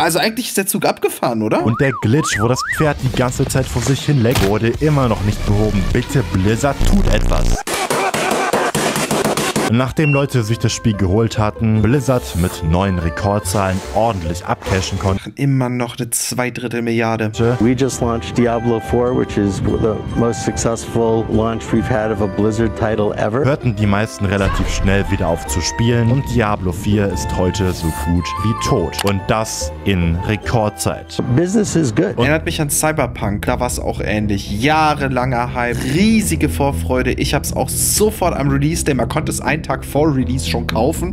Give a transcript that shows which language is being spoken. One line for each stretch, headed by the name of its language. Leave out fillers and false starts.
German: Also eigentlich ist der Zug abgefahren, oder? Und der Glitch, wo das Pferd die ganze Zeit vor sich hin leckt, wurde immer noch nicht behoben. Bitte, Blizzard, tut etwas. Nachdem Leute sich das Spiel geholt hatten, Blizzard mit neuen Rekordzahlen ordentlich abcashen konnte. Immer noch eine 2/3 Milliarde.
English: We just launched Diablo 4, which is the most successful launch we've had of a Blizzard title ever.
German: Hörten die meisten relativ schnell wieder auf zu spielen und Diablo 4 ist heute so gut wie tot. Und das in Rekordzeit.
English: Business is good.
German: Und erinnert mich an Cyberpunk, da war es auch ähnlich. Jahrelanger Hype, riesige Vorfreude. Ich habe es auch sofort am Release, denn man konnte es einen Tag vor Release schon kaufen.